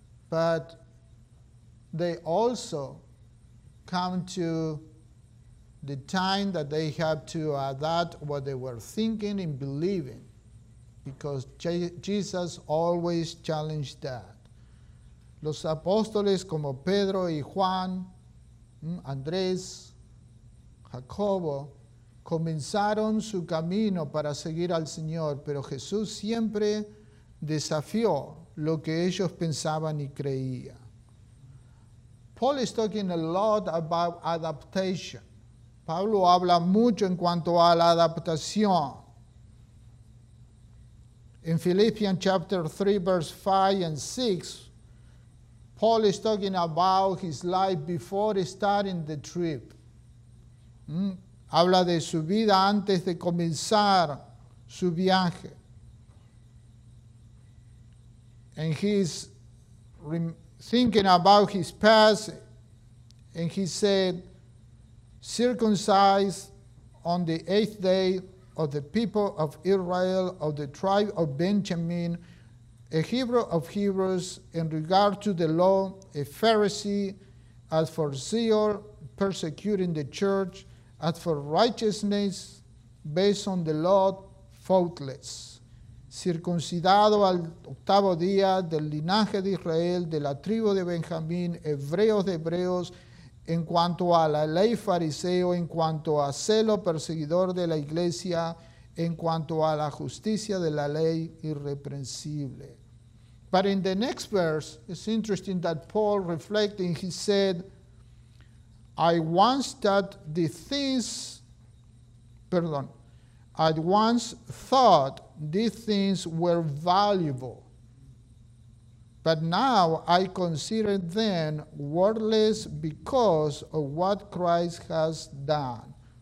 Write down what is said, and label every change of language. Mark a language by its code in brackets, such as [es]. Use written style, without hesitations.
[en] But they also come to the time that they have to adapt what they were thinking and believing, because Jesus always challenged that. [es] Los apóstoles como Pedro y Juan, Andrés, Jacobo, comenzaron su camino para seguir al Señor, pero Jesús siempre desafió lo que ellos pensaban y creían. [en] Paul is talking a lot about adaptation. [es] Pablo habla mucho en cuanto a la adaptación. [en] In Philippians chapter 3, verse 5 and 6, Paul is talking about his life before starting the trip. [es] habla de su vida antes de comenzar su viaje. [en] And he's thinking about his past, and he said, circumcised on the eighth day of the people of Israel, of the tribe of Benjamin, a Hebrew of Hebrews, in regard to the law, a Pharisee, as for zeal, persecuting the church, as for righteousness, based on the law, faultless. [es] Circuncidado al octavo día, del linaje de Israel, de la tribu de Benjamín, hebreos de hebreos, en cuanto a la ley fariseo, en cuanto a celo perseguidor de la iglesia, en cuanto a la justicia de la ley, irreprensible. [en] But in the next verse, it's interesting that Paul reflecting, he said, I once thought these things were valuable, but now I consider them worthless because of what Christ has done.